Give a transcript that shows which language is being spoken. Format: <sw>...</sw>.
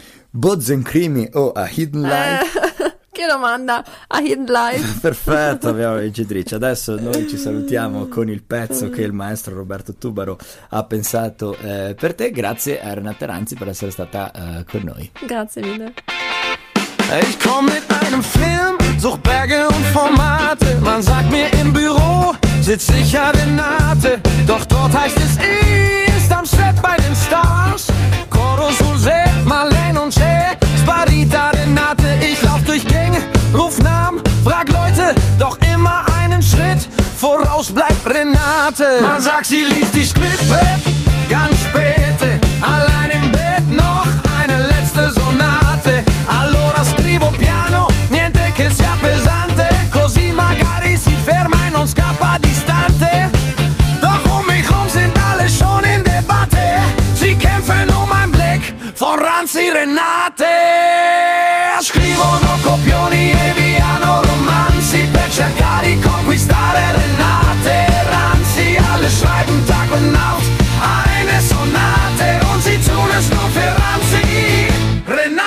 <it>Bozen Krimi o A Hidden Life? Che domanda! A Hidden Life. Perfetto, abbiamo la vincitrice. Adesso noi ci salutiamo con il pezzo che il maestro Roberto Tubaro ha pensato per te. Grazie a Renata Ranzi per essere stata con noi. Grazie mille.</it> <de>Ich komm mit einem Film, such Berge und Formate. Man sagt mir im Büro, sitz ich ja in Arte. Doch dort heißt es East am Set bei den Stars. Coro Suse, Marlene und Che, Sparita Renate. Ich lauf durch Gänge, ruf Namen, frag Leute. Doch immer einen Schritt voraus bleibt Renate. Man sagt, sie liest die Skripte ganz spät. Allein im Bett noch eine letzte Sonate.</de> <it>Allora scrivo piano, niente che sia pesante. Così magari si ferma e non scappa distante.</it> <de>Doch um mich rum sind alle schon in Debatte. Sie kämpfen um ein Blick von Ranzi Renate.</de> <it>Scrivono copioni e viano romanzi per cercare di conquistare Renate.</it> <de>Ranzi alle schreiben Tag und Nacht eine Sonate und sie tun es nur für Ranzi.</de>